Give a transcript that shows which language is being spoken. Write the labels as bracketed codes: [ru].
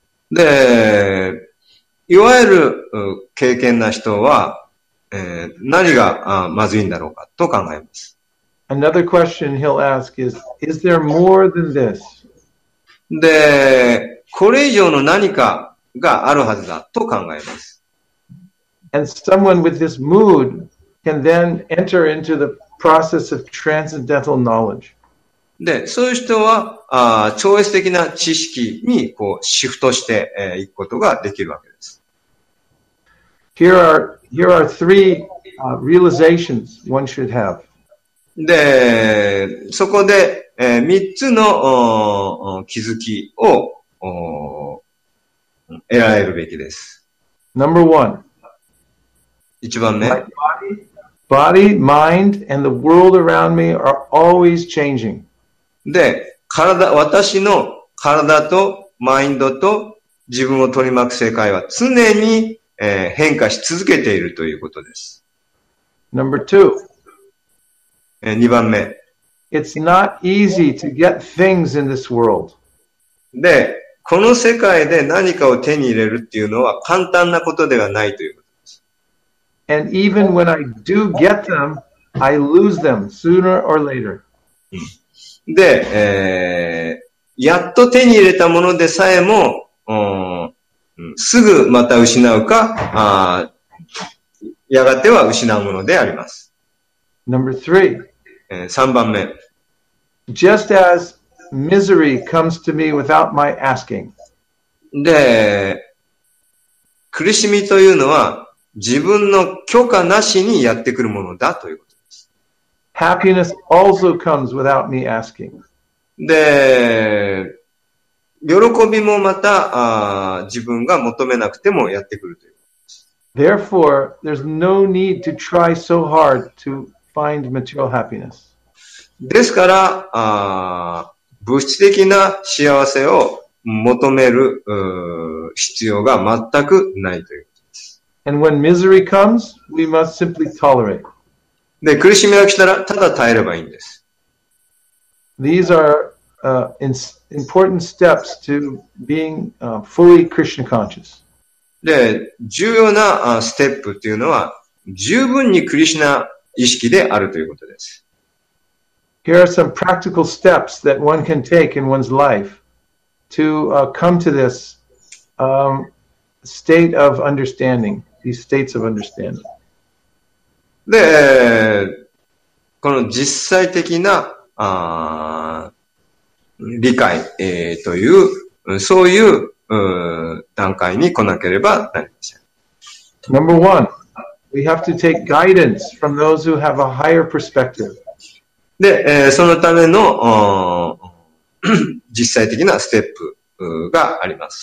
[ja] で、いわゆる敬虔な人は何がまずいんだろうかと考えます。 [en] Another question he'll ask is, is there more than this? [ja] で、これ以上の何かがあるはずだと考えます。 [en] And someone with this mood can then enter into the process of transcendental knowledge. [ja] で、そういう人は超越的な知識にこうシフトしていくことができるわけです。 [en] Here are three realizations one should have. [ja] で、そこで、三つの気づきを得られるべきです。 [en] Number one. [ja] 一番目。 [en] Body, mind, and the world around me are always changing. [ja] で、体、私の体とマインドと自分を取り巻く世界は常に変化し続けているということです。 [en] Number two. [ja] 二番目。 [en] It's not easy to get things in this world. [ja] で、この世界で何かを手に入れるっていうのは簡単なことではないということです。 [en] And even when I do get them, I lose them sooner or later. [ja] で、やっと手に入れたものでさえも、すぐまた失うか、やがては失うものであります。 [en] Number three. [ja] 3番目。 [en] Just as misery comes to me without my asking. [ja] で、苦しみというのは自分の許可なしにやってくるものだということです。 [en] Happiness also comes without me asking. [ja] で、喜びもまた自分が求めなくてもやってくるということです。 [en] Therefore, there's no need to try so hard to find material happiness. [ja] ですから、物質的な幸せを求める必要が全くないということです。 [en] And when misery comes, we must simply tolerate. [ja] で、苦しみが来たらただ耐えればいいんです。 [en] These are important steps to being fully Krishna conscious. [ja] で、重要なステップというのは十分にクリシュナ意識であるということです。 [en] Here are some practical steps that one can take in one's life. To come to this state of understanding, these states of understanding. [ja] で、この実際的な理解、という、そういう、段階に来なければなりません。 [en] Number one, we have to take guidance from those who have a higher perspective. [ja] で、そのための、実際的なステップがあります。